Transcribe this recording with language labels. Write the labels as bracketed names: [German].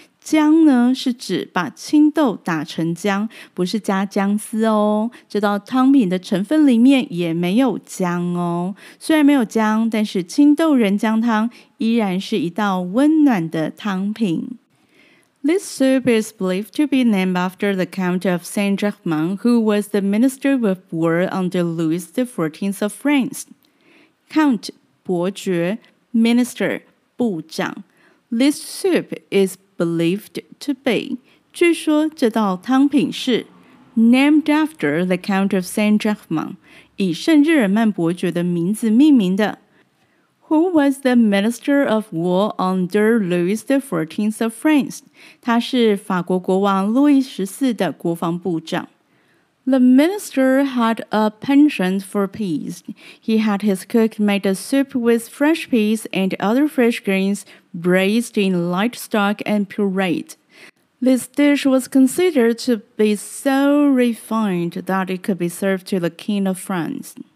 [Chinese] 姜呢是指把青豆打成姜，不是加姜丝哦。这道汤品的成分里面也没有姜哦。虽然没有姜，但是青豆仁姜汤依然是一道温暖的汤品。 [English] This soup is believed to be named after the Count of Saint-Germain, who was the Minister of War under Louis XIV of France. Count, 伯爵, Minister, 部长. This soup is believed to be, [Chinese] 据说这道汤品是, [English] named after the Count of Saint-Germain, [Chinese] 以圣日耳曼伯爵的名字命名的。 [English] Who was the Minister of War under Louis XIV of France? [Chinese] 他是法国国王路易十四的国防部长。 [English] The minister had a penchant for peas. He had his cook make a soup with fresh peas and other fresh greens braised in light stock and pureed. This dish was considered to be so refined that it could be served to the King of France.